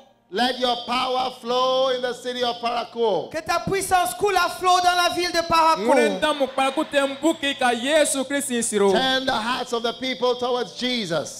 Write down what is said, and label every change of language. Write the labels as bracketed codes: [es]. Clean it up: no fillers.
[en] Let your power flow in the city of Parakou. [fr] Que ta puissance coule à flot dans la ville de Parakou. [en] Turn the hearts of the people towards Jesus.